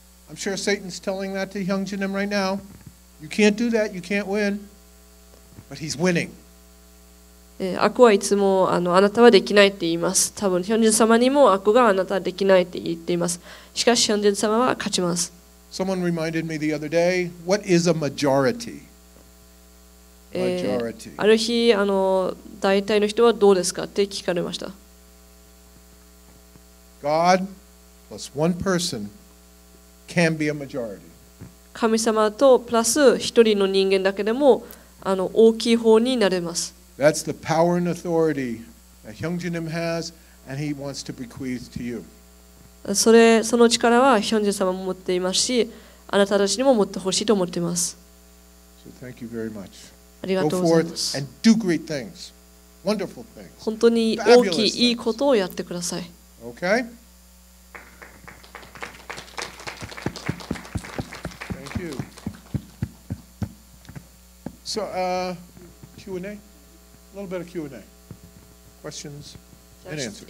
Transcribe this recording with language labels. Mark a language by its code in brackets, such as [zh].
[en] I'm sure Satan's telling that to Hyung Jin Im right now. You can't do that. You can't win. But he's winning. [ja] 悪はいつもあなたはできないって言います。多分ヒョンジン様にも悪があなたはできないって言っています。しかしヒョンジン様は勝ちます。 [en] Someone reminded me the other day, what is a majority? Majority. [ja] ある日大体の人はどうですかって聞かれました。 [en] God plus one person can be a majority. [ja] 神様とプラス一人の人間だけでも大きい方になれます。 [en] That's the power and authority that Hyungjin Im has, and he wants to bequeath to you. [ja] その力はヒョンジン様も持っていますし、あなたたちにも持ってほしいと思っています。 [en] So thank you very much. [ja] ありがとうございます。 [en] Go forth and do great things, wonderful things. [ja] 本当に大きいいいことをやってください。 [en] Okay. Thank you. So, Q&A, a little bit of Q&A, questions and answers.